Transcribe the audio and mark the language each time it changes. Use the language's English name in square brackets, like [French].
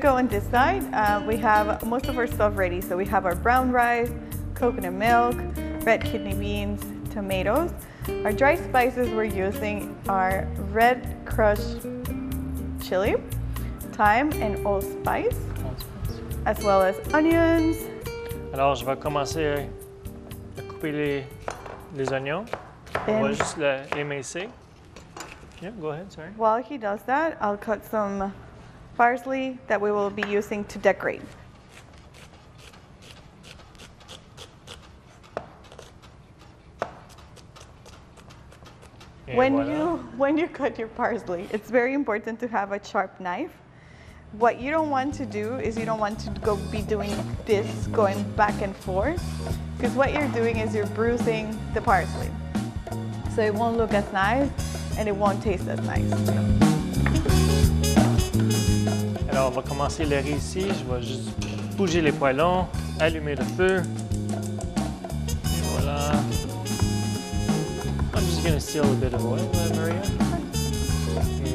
[English] This side, we have most of our stuff ready. So we have our brown rice, coconut milk, red kidney beans, tomatoes. Our dry spices we're using are red crushed chili, thyme and allspice, as well as onions. [French] Alors, je vais commencer à couper les oignons. On va juste l'émincer. [English] Yeah, go ahead, sorry. While he does that, I'll cut some parsley that we will be using to decorate. [French] Et [English] when [French] voilà. [English] when you cut your parsley, it's very important to have a sharp knife. What you don't want to do is you don't want to go be doing this going back and forth, because what you're doing is you're bruising the parsley. So it won't look as nice and it won't taste as nice. [French] Alors, on va commencer l'air ici. Je vais juste bouger les poêlons, allumer le feu. Et voilà. [English] I'm just going to steal a bit of oil there, Maria.